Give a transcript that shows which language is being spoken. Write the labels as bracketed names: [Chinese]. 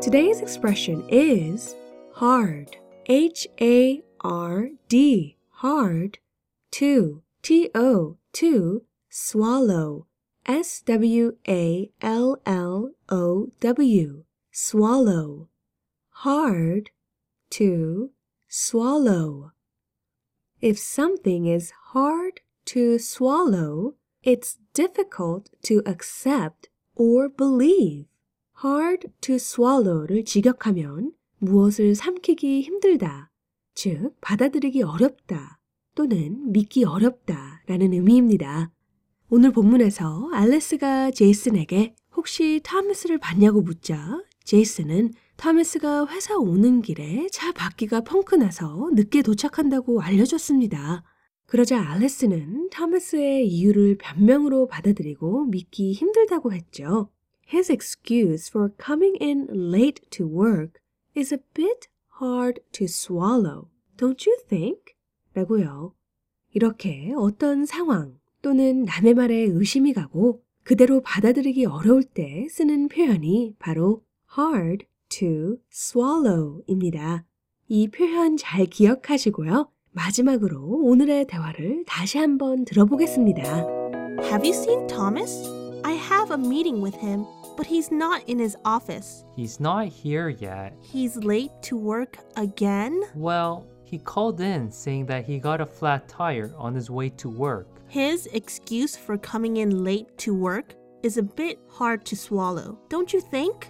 [English] Today's expression is hard, H-A-R-D, hard, to, T-O, to, swallow, S-W-A-L-L-O-W, swallow, hard, to, swallow. If something is hard to swallow, it's difficult to accept or believe. Hard to swallow [Korean] 를 직역하면 무엇을 삼키기 힘들다, 즉 받아들이기 어렵다 또는 믿기 어렵다라는 의미입니다. 오늘 본문에서 알리스가 제이슨에게 혹시 토마스를 봤냐고 묻자 제이슨은 토마스가 회사 오는 길에 차 바퀴가 펑크 나서 늦게 도착한다고 알려줬습니다. 그러자 알리스는 토마스의 이유를 변명으로 받아들이고 믿기 힘들다고 했죠. [English] His excuse for coming in late to work is a bit hard to swallow, don't you think? [Korean] 라고요. 이렇게 어떤 상황 또는 남의 말에 의심이 가고 그대로 받아들이기 어려울 때 쓰는 표현이 바로 [English] hard to swallow [Korean] 입니다. 이 표현 잘 기억하시고요. 마지막으로 오늘의 대화를 다시 한번 들어보겠습니다. [English] Have you seen Thomas? I have a meeting with him, but he's not in his office. He's not here yet. He's late to work again? Well, he called in saying that he got a flat tire on his way to work. His excuse for coming in late to work is a bit hard to swallow, don't you think?